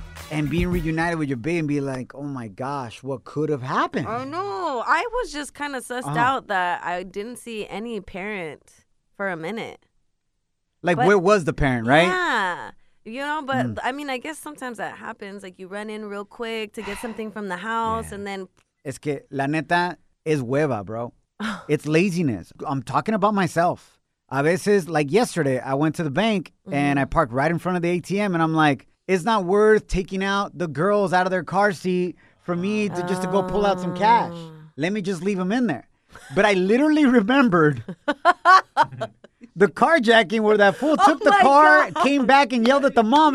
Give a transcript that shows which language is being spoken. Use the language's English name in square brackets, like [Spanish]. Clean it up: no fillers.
[English] And being reunited with your baby and be like, oh my gosh, what could have happened? I know. I was just kind of sussed out that I didn't see any parent for a minute. Like, but, where was the parent, right? Yeah. You know, but I mean, I guess sometimes that happens. Like, you run in real quick to get something from the house and then. [Spanish] Es que la neta es hueva, bro. [English] It's laziness. I'm talking about myself. [Spanish] A veces, [English] like yesterday, I went to the bank and I parked right in front of the ATM and I'm like, it's not worth taking out the girls out of their car seat for me to just to go pull out some cash. Let me just leave them in there. But I literally remembered the carjacking where that fool took the car, came back and yelled at the mom.